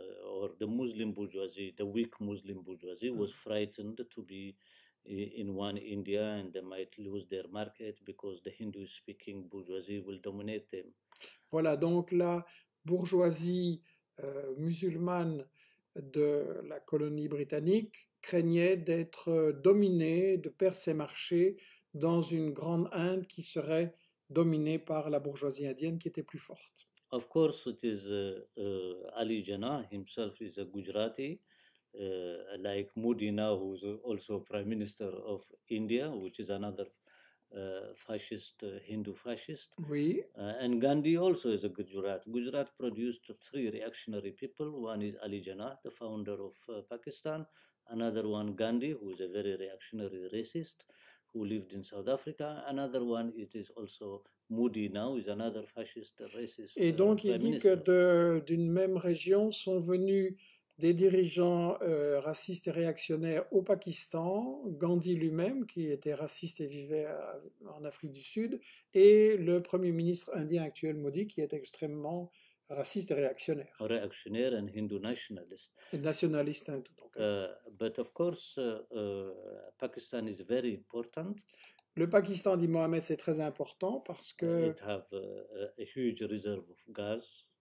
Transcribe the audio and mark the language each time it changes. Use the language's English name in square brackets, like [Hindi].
[English] or the Muslim bourgeoisie, the weak Muslim bourgeoisie, was frightened to be in one India, and they might lose their market because the Hindu-speaking bourgeoisie will dominate them. [French] Voilà, donc la bourgeoisie musulmane de la colonie britannique craignait d'être dominée, de perdre ses marchés dans une grande Inde qui serait dominée par la bourgeoisie indienne qui était plus forte. [English] Of course, it is Ali Jinnah himself is a Gujarati, like Modi now, who is also Prime Minister of India, which is another fascist, Hindu fascist. [French] Oui. [English] And Gandhi also is a Gujarat. Gujarat produced three reactionary people. One is Ali Jinnah, the founder of Pakistan. Another one, Gandhi, who is a very reactionary racist, who lived in South Africa. Another one, it is also Modi now, is another fascist, racist. [French] Et donc, il dit que d'une même région sont venus des dirigeants racistes et réactionnaires au Pakistan, Gandhi lui-même, qui était raciste et vivait en Afrique du Sud, et le premier ministre indien actuel, Modi, qui est extrêmement raciste et réactionnaire. Réactionnaire [English] and Hindu nationalist. [French] Et nationaliste hindou. [English] But of course, Pakistan is very important. [French] Le Pakistan, dit Mohamed, c'est très important parce que... [English] It have a huge reserve of gas.